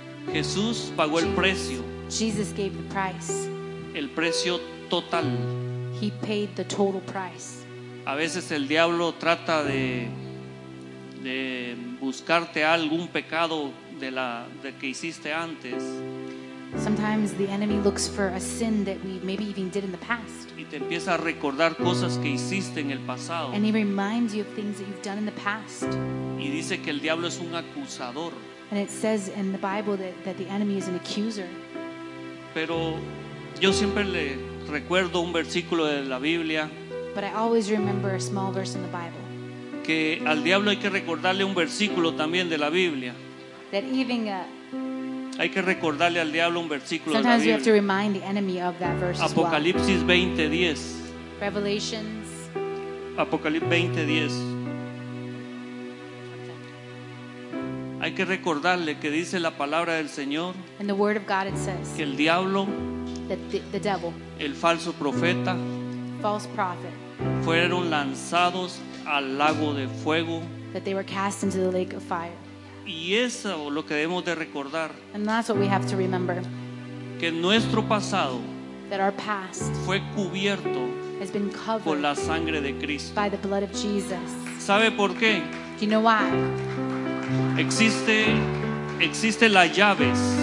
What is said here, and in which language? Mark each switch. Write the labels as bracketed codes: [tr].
[es] Jesús pagó el precio. [en] Jesus gave the price. [es] El precio total. [en] He paid the total price. [es] A veces el diablo trata de buscarte algún pecado de que hiciste antes. [en] Sometimes the enemy looks for a sin that we maybe even did in the past. [es] Y te empieza a recordar cosas que hiciste en el pasado. [en] And he reminds you of things that you've done in the past. [es] Y dice que el diablo es un acusador. [en] And it says in the Bible that the enemy is an accuser. [es] Pero yo siempre le recuerdo un versículo de la Biblia. [en] But I always remember a small verse in the Bible. [es] Que al diablo hay que recordarle un versículo también de la Biblia. [en] That even a [es] hay que recordarle al diablo un versículo [en] sometimes [es] de la Biblia. [en] You have to remind the enemy of that verse. [es] Apocalipsis 20:10. [en] Revelations. [es] Apocalipsis 20:10. Hay que recordarle que dice la palabra del Señor. [en] In the word of God it says. [es] Que el diablo. [en] The devil. [es] El falso profeta. [en] False prophet. [es] Fueron lanzados al lago de fuego. [en] That they were cast into the lake of fire. [es] Y eso es lo que debemos de recordar. [en] And that's what we have to remember. [es] Que nuestro pasado. [en] That our past. [es] Fue cubierto. [en] Has been covered. [es] Con la sangre de Cristo. [en] By the blood of Jesus. [es] ¿Sabe por qué? [en] Do you know why? [es] Existe las llaves.